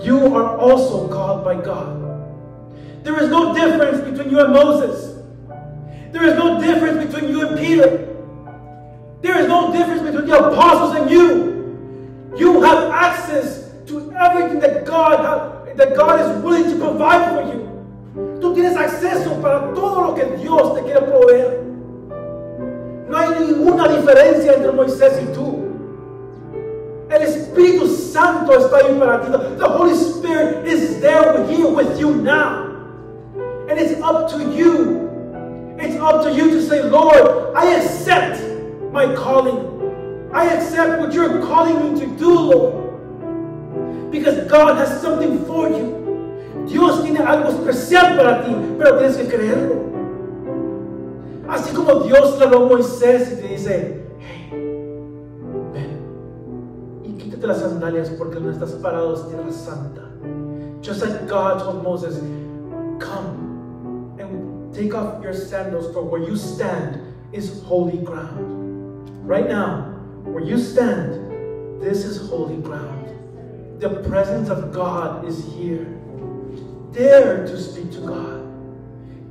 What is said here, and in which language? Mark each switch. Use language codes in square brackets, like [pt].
[en] You are also called by God. There is no difference between you and Moses. There is no difference between you and Peter. There is no difference between the apostles and you. You have access to everything that God is willing to provide for you. [es] Tú tienes acceso para todo lo que Dios te quiere proveer. No hay ninguna diferencia entre Moisés y tú. El Espíritu Santo está ahí para ti. [en] The Holy Spirit is there here with you now. And it's up to you. It's up to you to say, Lord, I accept my calling. I accept what you're calling me to do, Lord. Because God has something for you. [es] Dios tiene algo especial para ti, pero tienes que creerlo. Así como Dios le habló a Moisés y te dice, hey, ven y quítate las sandalias porque no estás parado en tierra santa. [en] Just like God told Moses, come and take off your sandals for where you stand is holy ground. Right now, where you stand, this is holy ground. The presence of God is here. Dare to speak to God.